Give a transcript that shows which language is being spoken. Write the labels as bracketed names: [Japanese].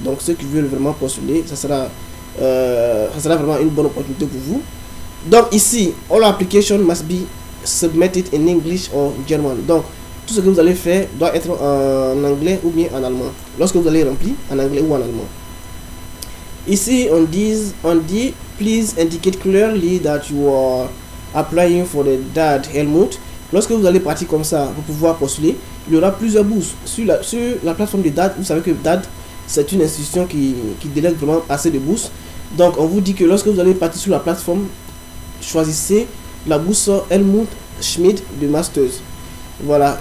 [French] Donc, ceux qui veulent vraiment postuler, ça sera vraiment une bonne opportunité pour vous. Donc, ici, [English] all application must be submitted in English or German. [French] Donc, tout ce que vous allez faire doit être en anglais ou bien en allemand. Lorsque vous allez remplir, en anglais ou en allemand. Ici, on dit, [English] please indicate clearly that you are applying for the DAD Helmut. [French] Lorsque vous allez partir comme ça pour pouvoir postuler, il y aura plusieurs bourses sur la plateforme de DAD. Vous savez que DAD, c'est une institution qui délègue vraiment assez de bourses. Donc, on vous dit que lorsque vous allez partir sur la plateforme, choisissez la bourse Helmut Schmidt de Masters. Voilà.